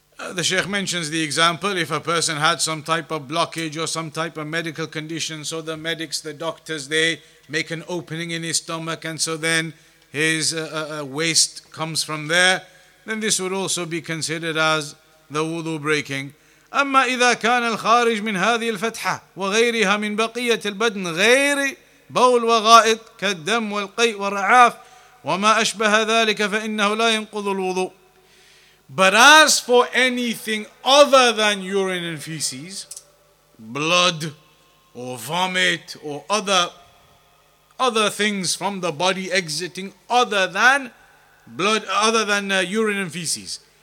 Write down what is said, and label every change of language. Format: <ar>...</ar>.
<en>The Sheikh mentions the example, if a person had some type of blockage or some type of medical condition, so the medics, the doctors, they make an opening in his stomach, and so then his waste comes from there, then this would also be considered as the wudu breaking.</en> <ar>أما إذا كان الخارج من هذه الفتحة وغيرها من بقية البدن غير بول وغائط كالدم والقيء والرعاف وما أشبه ذلك فإنه لا ينقض الوضوء.</ar> <en>But as for anything other than urine and feces, blood or vomit or other things from the body exiting other than blood, other than urine and feces.</en>